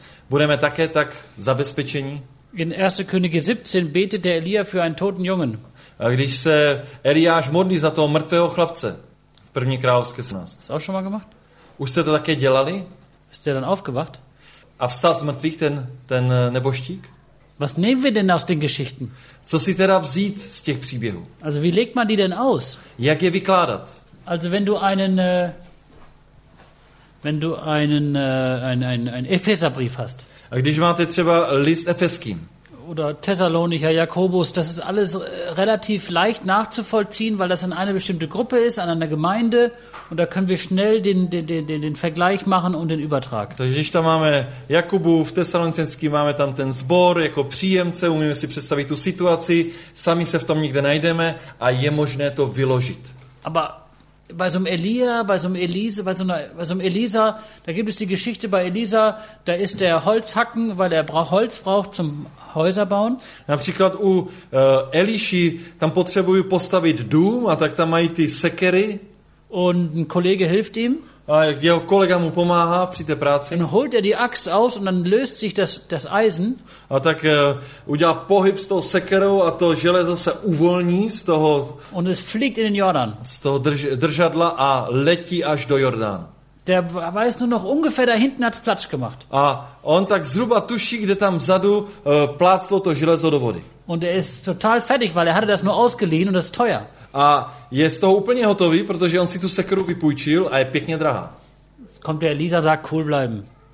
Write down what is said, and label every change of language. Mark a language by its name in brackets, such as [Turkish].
[Czech] Budeme také tak zabezpečení? [German] In 1. Könige 17 betet der Elia für einen toten Jungen. [Czech] A když se Eliáš modlí za toho mrtvého chlapce v 1. Královské 17. [German] Hast du schon mal gemacht? [Czech] Už jste to také dělali? [German] Ist der dann aufgewacht? [Czech] A vstal z mrtvých ten neboštík? [German] Was nehmen wir denn aus den Geschichten? [Czech] Co si teda vzít z těch příběhů? [German] Also wie legt man die denn aus? [Czech] Jak je vykládat? [German] Also wenn du einen einen Epheserbrief hast. [Czech] A když máte třeba list Efeským. [German] Oder Thessalonicher, Jakobus, das ist alles relativ leicht nachzuvollziehen, weil das an eine bestimmte Gruppe ist, an einer Gemeinde und da können wir schnell den Vergleich machen und den Übertrag. [Czech] Takže když tam máme Jakubův, Thessalonický, máme tam ten sbor jako příjemce, umíme si představit tu situaci, sami se v tom nikde najdeme a je možné to vyložit. [German] Aber bei so einem Elia, bei so einem Elise, bei so einem Elisa, da gibt es die Geschichte bei Elisa, da ist der Holzhacken, weil er Holz braucht zum Häuser bauen. [Czech] Například u Eliši tam potřebují postavit dům a tak tam mají ty sekery. [German] Und ein Kollege hilft ihm. [Czech] A jeho kolega mu pomáhá při té práci. [German] Dann holt er die Axt aus und dann löst sich das Eisen. [Czech] A tak udělá pohyb s tou sekerou a to železo se uvolní z toho. [German] Und es fliegt in den Jordan. [Czech] Z toho držadla a letí až do Jordán. [German] Der weiß nur noch ungefähr, da hinten hat's Platsch gemacht. [Czech] A on tak zhruba tuší, kde tam vzadu pláclo to železo do vody. [German] Und er ist total fertig, weil er hatte das nur ausgeliehen und das ist teuer. [Czech] A je z toho úplně hotový, protože on si tu sekeru vypůjčil a je pěkně drahá. [German] Kommt der Elisa, sagt cool bleiben.